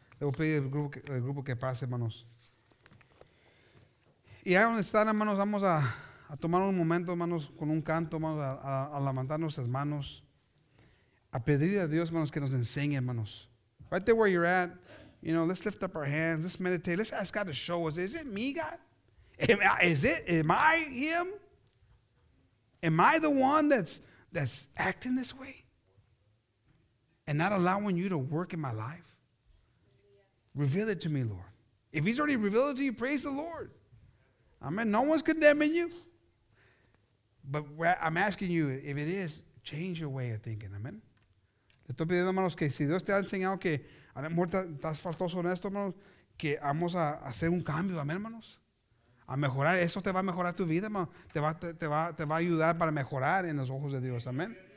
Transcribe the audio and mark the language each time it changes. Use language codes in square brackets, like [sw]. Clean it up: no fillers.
[es] Le voy a pedir al grupo que pase, hermanos. Y ahí donde están, hermanos, vamos a tomar un momento, hermanos, con un canto, hermanos, a levantar nuestras manos, a pedir a Dios, hermanos, que nos enseñe, hermanos. [en] Right there where you're at, you know, let's lift up our hands, let's meditate, let's ask God to show us, is it me, God? Am I him? Am I the one that's acting this way and not allowing you to work in my life? Reveal it to me, Lord. If he's already revealed it to you, praise the Lord. Amen. No one's condemning you. But I'm asking you, if it is, change your way of thinking. Amen. [es] Le estoy pidiendo, hermanos, que si Dios te ha enseñado que a lo mejor estás faltoso en esto, hermanos, que vamos a hacer un cambio. Amen, hermanos. A mejorar, eso te va a mejorar tu vida, hermano. Te va a ayudar para mejorar en los ojos de Dios, amén.